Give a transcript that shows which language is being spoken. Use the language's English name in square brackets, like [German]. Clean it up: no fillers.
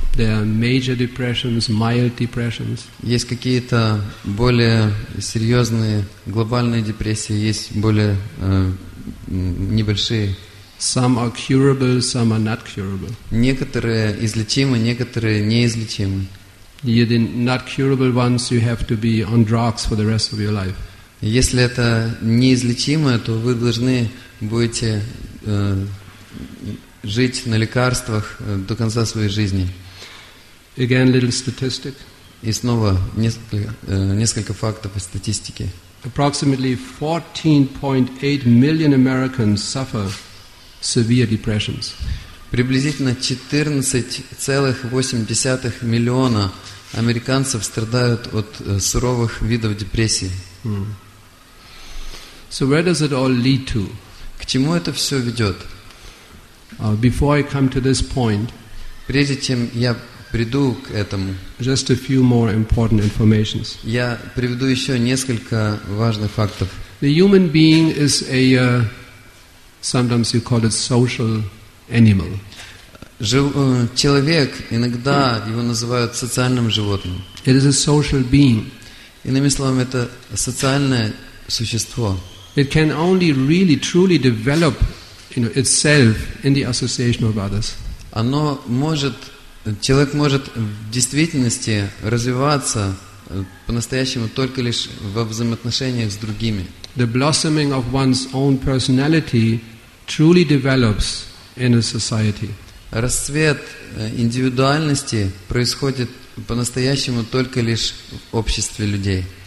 [English] There are major depressions, mild depressions. [Russian] Есть какие-то более серьезные глобальные депрессии, есть более небольшие. [English] Some are curable, some are not curable. [Russian] Некоторые излечимы, некоторые неизлечимы. [English] The not curable ones, you have to be on drugs for the rest of your life. [Russian] Если это неизлечимое, то вы должны будете жить на лекарствах до конца своей жизни. [English] Again, little statistic. [Russian] И снова несколько фактов из статистики. [English] Approximately 14.8 million Americans suffer severe depressions. [Russian] Приблизительно 14,8 миллиона американцев страдают от суровых видов депрессии. [English] So where does it all lead to? [Russian] К чему это все ведет? [English] Before I come to this point, [Russian] прежде чем я приду к этому, [English] just a few more important informations. [Russian] Я приведу еще несколько важных фактов. [English] The human being is a sometimes you call it social animal. [Russian] Человек иногда его называют социальным животным. [English] It is a social being. [Russian] Иными словами, это социальное существо. [English] It can only really truly develop, you know, itself in the association of others. [Russian] Оно может, человек может в действительности развиваться по-настоящему только лишь во взаимоотношениях с другими. [English] The blossoming of one's own personality truly develops in a society. [Russian] Расцвет индивидуальности происходит по-настоящему только лишь в обществе людей.